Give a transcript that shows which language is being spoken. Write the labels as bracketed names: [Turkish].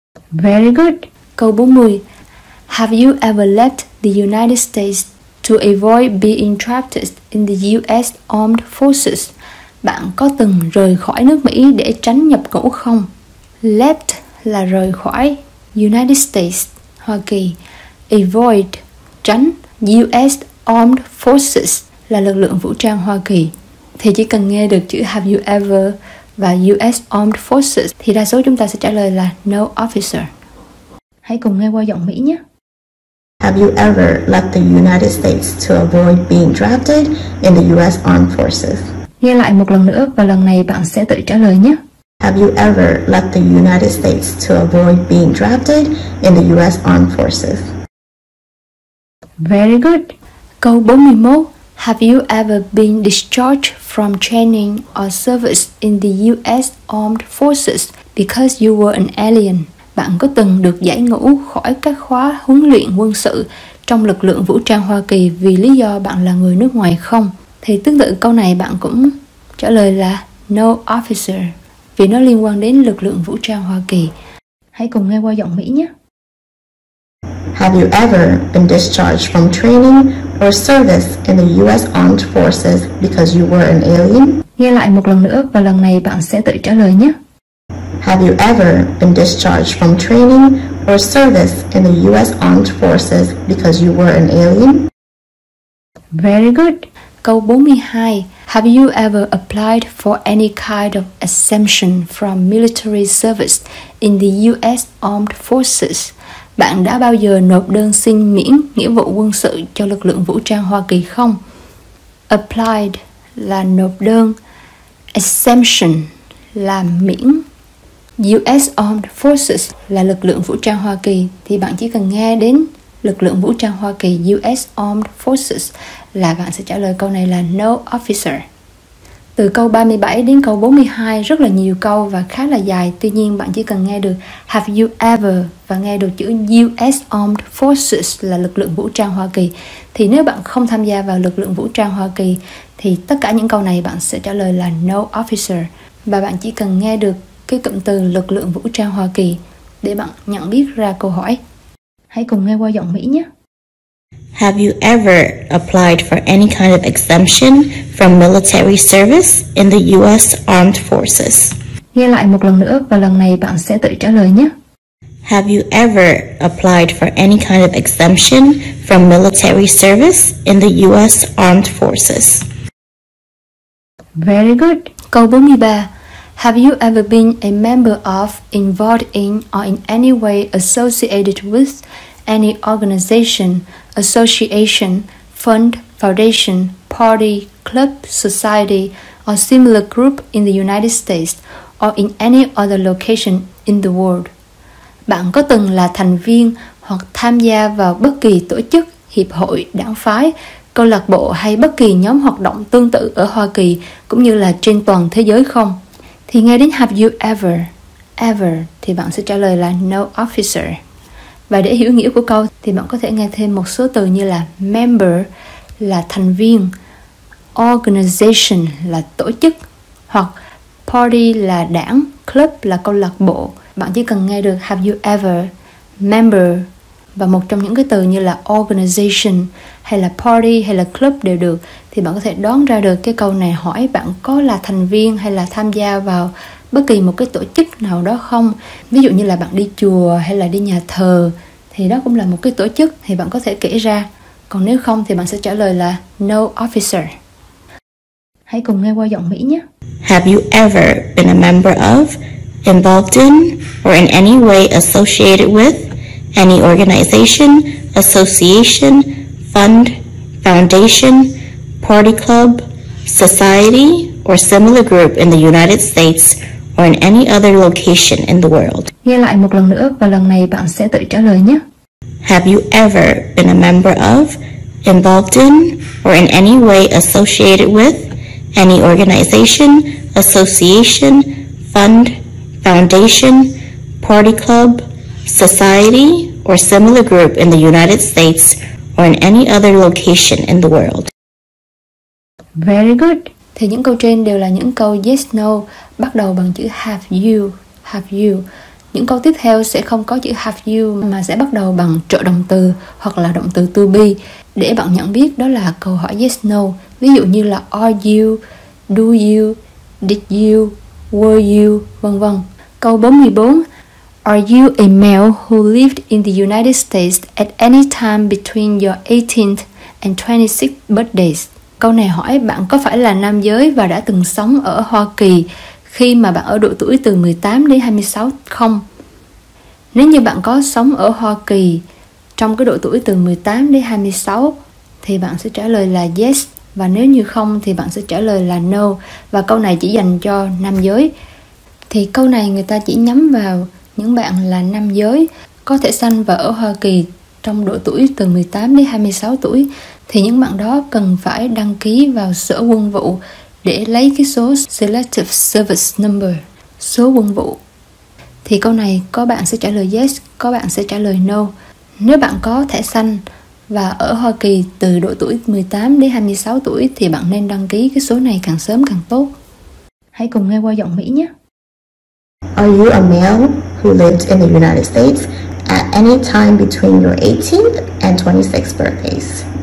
[English] Very good. [Vietnamese] Câu 40. [English] Have you ever left the United States to avoid being trapped in the US Armed Forces? [Vietnamese] Bạn có từng rời khỏi nước Mỹ để tránh nhập ngũ không? Left là rời khỏi, United States, Hoa Kỳ. Avoid, tránh, US Armed Forces là lực lượng vũ trang Hoa Kỳ. Thì chỉ cần nghe được chữ [English] have you ever [Vietnamese] và US Armed Forces thì đa số chúng ta sẽ trả lời là [English] no officer. [Vietnamese] Hãy cùng nghe qua giọng Mỹ nhé. [English] Have you ever left the United States to avoid being drafted in the US Armed Forces? [Vietnamese] Nghe lại một lần nữa và lần này bạn sẽ tự trả lời nhé. [English] Have you ever left the United States to avoid being drafted in the US Armed Forces? Very good. [Vietnamese] Câu 41. [English] Have you ever been discharged from training or service in the US Armed Forces because you were an alien? [Vietnamese] Bạn có từng được giải ngũ khỏi các khóa huấn luyện quân sự trong lực lượng vũ trang Hoa Kỳ vì lý do bạn là người nước ngoài không? Thì tương tự câu này bạn cũng trả lời là [English] no officer, [Vietnamese] vì nó liên quan đến lực lượng vũ trang Hoa Kỳ. Hãy cùng nghe qua giọng Mỹ nhé. [English] Have you ever been discharged from training or service in the US Armed Forces because you were an alien? [Vietnamese] Nghe lại một lần nữa và lần này bạn sẽ tự trả lời nhé. [English] Have you ever been discharged from training or service in the US Armed Forces because you were an alien? Very good. [Vietnamese] Câu 42. [English] Have you ever applied for any kind of exemption from military service in the US Armed Forces? [Vietnamese] Bạn đã bao giờ nộp đơn xin miễn nghĩa vụ quân sự cho lực lượng vũ trang Hoa Kỳ không? Applied là nộp đơn, exemption là miễn. US Armed Forces là lực lượng vũ trang Hoa Kỳ, thì bạn chỉ cần nghe đến lực lượng vũ trang Hoa Kỳ US Armed Forces là bạn sẽ trả lời câu này là [English] no officer. [Vietnamese] Từ câu 37 đến câu 42 rất là nhiều câu và khá là dài, tuy nhiên bạn chỉ cần nghe được [English] have you ever [Vietnamese] và nghe được chữ US Armed Forces là lực lượng vũ trang Hoa Kỳ. Thì nếu bạn không tham gia vào lực lượng vũ trang Hoa Kỳ thì tất cả những câu này bạn sẽ trả lời là [English] no officer. [Vietnamese] Và bạn chỉ cần nghe được cái cụm từ lực lượng vũ trang Hoa Kỳ để bạn nhận biết ra câu hỏi. Hãy cùng nghe qua giọng Mỹ nhé. [English] Have you ever applied for any kind of exemption from military service in the US Armed Forces? [Vietnamese] Nghe lại một lần nữa và lần này bạn sẽ tự trả lời nhé. [English] Have you ever applied for any kind of exemption from military service in the US Armed Forces? Very good. [Vietnamese] Câu 43. [English] Have you ever been a member of, involved in, or in any way associated with any organization, association, fund, foundation, party, club, society, or similar group in the United States or in any other location in the world? [Vietnamese] Bạn có từng là thành viên hoặc tham gia vào bất kỳ tổ chức, hiệp hội, đảng phái, câu lạc bộ hay bất kỳ nhóm hoạt động tương tự ở Hoa Kỳ cũng như là trên toàn thế giới không? Thì nghe đến [English] have you ever, ever [Vietnamese] thì bạn sẽ trả lời là [English] no officer. [Vietnamese] Và để hiểu nghĩa của câu thì bạn có thể nghe thêm một số từ như là member là thành viên, organization là tổ chức, hoặc party là đảng, club là câu lạc bộ. Bạn chỉ cần nghe được [English] have you ever, [Vietnamese] member và một trong những cái từ như là organization hay là party hay là club đều được, thì bạn có thể đoán ra được cái câu này hỏi bạn có là thành viên hay là tham gia vào bất kỳ một cái tổ chức nào đó không. Ví dụ như là bạn đi chùa hay là đi nhà thờ thì đó cũng là một cái tổ chức, thì bạn có thể kể ra. Còn nếu không thì bạn sẽ trả lời là [English] no officer. [Vietnamese] Hãy cùng nghe qua giọng Mỹ nhé. [English] Have you ever been a member of, involved in, or in any way associated with any organization, association, fund, foundation, party club, society, or similar group in the United States or in any other location in the world? [Vietnamese] Nghe lại một lần nữa và lần này bạn sẽ tự trả lời nhé. [English] Have you ever been a member of, involved in, or in any way associated with any organization, association, fund, foundation, party club, society, or similar group in the United States or in any other location in the world? Very good. [Vietnamese] Thì những câu trên đều là những câu yes, no, bắt đầu bằng chữ [English] have you. [Vietnamese] Những câu tiếp theo sẽ không có chữ [English] have you [Vietnamese] mà sẽ bắt đầu bằng trợ động từ hoặc là động từ to be để bạn nhận biết đó là câu hỏi yes, no. Ví dụ như là [English] are you, do you, did you, were you, [Vietnamese] vân vân. Câu 44. Are you a male who lived in the United States at any time between your 18th and 26th birthdays? Câu này hỏi bạn có phải là nam giới và đã từng sống ở Hoa Kỳ khi mà bạn ở độ tuổi từ 18 đến 26 không? Nếu như bạn có sống ở Hoa Kỳ trong cái độ tuổi từ 18 đến 26 thì bạn sẽ trả lời là yes, và nếu như không thì bạn sẽ trả lời là no, và câu này chỉ dành cho nam giới. Thì câu này người ta chỉ nhắm vào những bạn là nam giới có thể sanh và ở Hoa Kỳ trong độ tuổi từ 18 đến 26 tuổi, thì những bạn đó cần phải đăng ký vào sở quân vụ để lấy cái số Selective Service Number, số quân vụ. Thì câu này có bạn sẽ trả lời yes, có bạn sẽ trả lời no. Nếu bạn có thẻ xanh và ở Hoa Kỳ từ độ tuổi 18 đến 26 tuổi thì bạn nên đăng ký cái số này càng sớm càng tốt. Hãy cùng nghe qua giọng Mỹ nhé. [English] Are you a male who lived in the United States at any time between your 18th and 26th birthdays?